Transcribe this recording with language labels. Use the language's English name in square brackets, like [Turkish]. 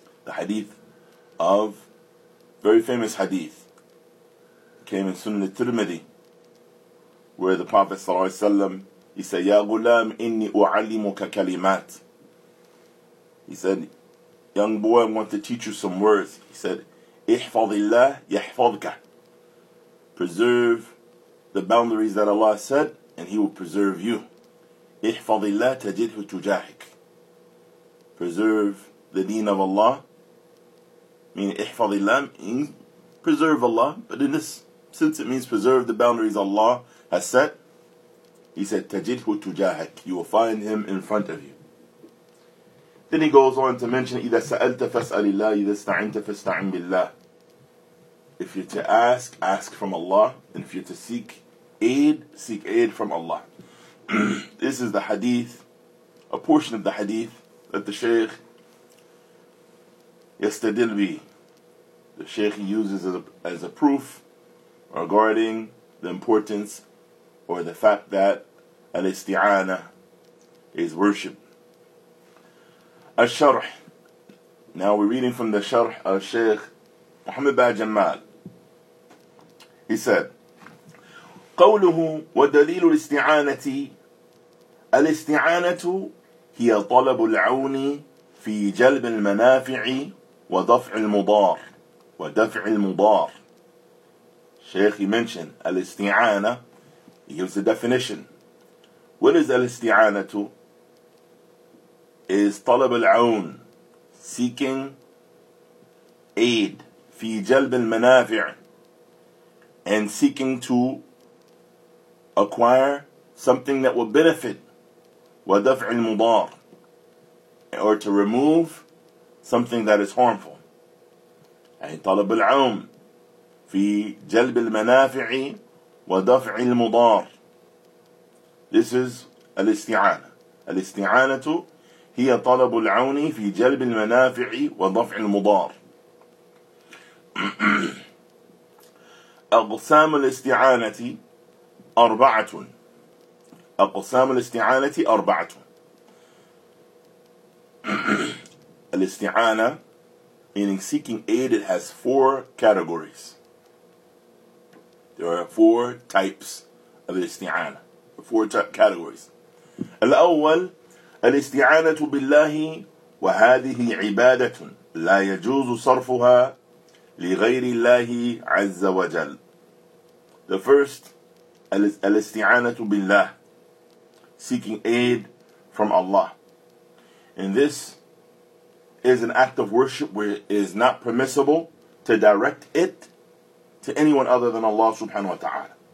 [English] The hadith of, very famous hadith, came in Sunan al-Tirmidhi, where the Prophet sallallahu alayhi wa sallam, he said, [Arabic] يَا غُلَامْ إِنِّي أُعَلِّمُكَ كَلِمَاتِ. [English] He said, young boy, I want to teach you some words. He said, [Arabic] احفظ الله يحفظك. [English] Preserve the boundaries that Allah said, and He will preserve you. [Arabic] احفظ الله تجده تجاهك. [English] Preserve the deen of Allah. Meaning, [Arabic] احفظ الله [English] means preserve Allah. But in this, since it means preserve the boundaries Allah has set, He said, [Arabic] تجده تجاهك. [English] You will find Him in front of you. Then he goes on to mention, [Arabic] إِذَا سَأَلْتَ فَاسْأَلِ اللَّهِ إِذَا اسْتَعِنْتَ فَاسْتَعِنْ بِاللَّهِ. [English] If you're to ask, ask from Allah. And if you're to seek aid from Allah. This is the hadith, a portion of the hadith that the Shaykh [Arabic] يستدل به. [English] The Shaykh uses as a proof regarding the importance or the fact that الاستعانة is worship. الشرح, Now we're reading from the Sharh of Sheikh Muhammad bin Jamal. He said, [Arabic] قوله ودليل الاستعانة الاستعانة هي طلب العون في جلب المنافع ودفع المضار ودفع المضار. [English] Sheikh, he mentioned al-isti'ana. He gives the definition. What is al-isti'ana to? Is [Arabic] talab al-awn, [English] seeking aid, [Arabic] fi jalb al-manafi', [English] and seeking to acquire something that will benefit, [Arabic] wa daf' al-mudar, [English] or to remove something that is harmful. [Arabic] Ay talab al-awn في جلب المنافع ودفع المضار. [English] This is الاستعانة. [Arabic] الاستعانة هي طلب العون في جلب المنافع ودفع المضار. أقسام الاستعانة أربعة. أقسام الاستعانة أربعة. [English] الاستعانة meaning seeking aid, it has four categories. There are four types of isti'ana, four categories. [Arabic] الأول الاستعانة بالله وهذه عبادة لا يجوز صرفها لغير الله عز وجل. [English] The first, [Arabic] الاستعانة بالله, [English] seeking aid from Allah. And this is an act of worship where it is not permissible to direct it to anyone other than Allah subhanahu wa ta'ala.